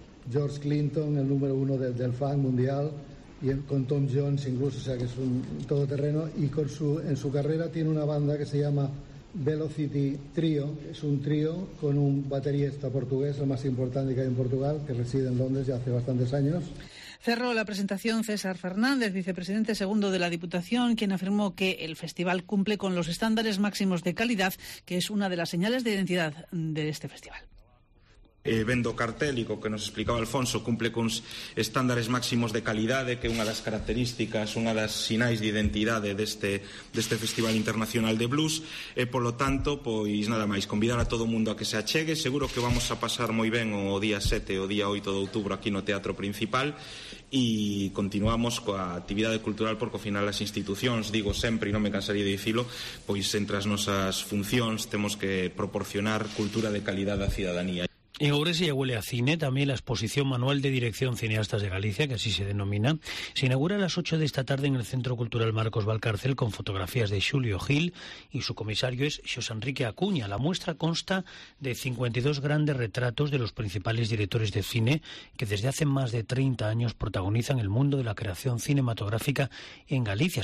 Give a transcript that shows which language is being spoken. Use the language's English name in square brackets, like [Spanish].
[Spanish] George Clinton, el número uno del funk mundial, y con Tom Jones incluso, o sea que es un todoterreno, y en su carrera tiene una banda que se llama Velocity Trio, es un trío con un baterista portugués, el más importante que hay en Portugal, que reside en Londres ya hace bastantes años. Cerró la presentación César Fernández, vicepresidente segundo de la Diputación, quien afirmó que el festival cumple con los estándares máximos de calidad, que es una de las señales de identidad de este festival. [Galician] vendo cartel e co que nos explicaba Alfonso cumple cuns estándares máximos de calidade, que é unha das características, unha das sinais de identidade deste Festival Internacional de Blues, e polo tanto, pois nada máis, convidar a todo mundo a que se achegue. Seguro que vamos a pasar moi ben o día 7 o día 8 de outubro aquí no Teatro Principal, e continuamos coa actividade cultural, porque ao final as institucións, digo sempre e non me cansaría de dicilo, pois entre as nosas funcións temos que proporcionar cultura de calidade á cidadanía. [Spanish] En Ourense ya huele a cine, también la exposición Manual de Dirección Cineastas de Galicia, que así se denomina, se inaugura a las 8 de esta tarde en el Centro Cultural Marcos Valcárcel con fotografías de Xulio Gil y su comisario es Xosé Enrique Acuña. La muestra consta de 52 grandes retratos de los principales directores de cine que desde hace más de 30 años protagonizan el mundo de la creación cinematográfica en Galicia.